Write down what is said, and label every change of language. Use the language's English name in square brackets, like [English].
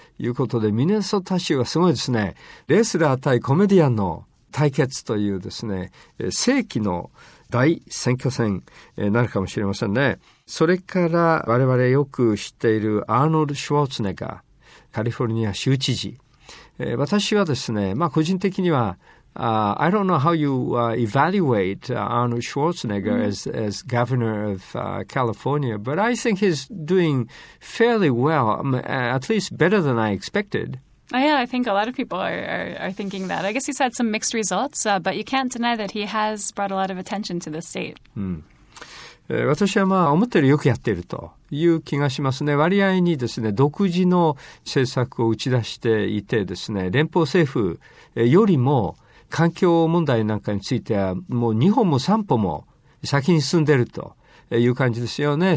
[Japanese] いうことで、ミネソタ州はすごいですね。レスラー対コメディアンの対決というですね、世紀の大選挙戦になるかもしれませんね。それから我々よく知っているアーノルド・シュワーツネガー、カリフォルニア州知事。私はですね、まあ個人的には、 [English] I don't know how you evaluate Arnold Schwarzenegger as governor of California, but I think he's doing fairly well, at least better than I expected. Yeah, I think a lot of people are thinking that. I guess he's had some mixed results, but you can't deny that he has brought a lot of attention to the state. Mm. [Japanese] 私はまあ思ってるよくやっているという気がしますね。割合にですね、独自の政策を打ち出していてですね、連邦政府よりも環境問題なんかについてはもう2歩も3歩も先に進んでいるという感じですよね。